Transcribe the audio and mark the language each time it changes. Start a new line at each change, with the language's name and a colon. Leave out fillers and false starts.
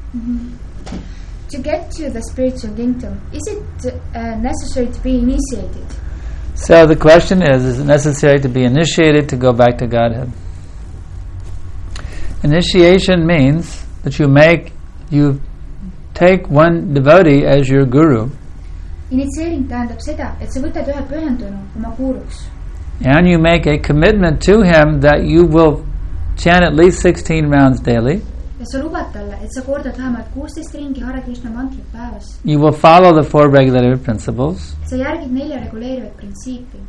English: Mm-hmm. To get to the spiritual kingdom, is it necessary to be initiated? So the question is it necessary to be initiated to go back to Godhead? Initiation means that you take one devotee as your guru.
Estonian: Initiating tähendab seda, et sa võtad ühe pühendunu oma guruks.
English: And you make a commitment to him that you will chant at least 16 rounds daily.
Estonian: Ja sa lubad talle, et sa kordad vähemalt 16 ringi Hare Krishna mantrit päevas.
English: You will follow the four regulative principles.
Estonian: Sa järgid nelja reguleerivat printsiipi.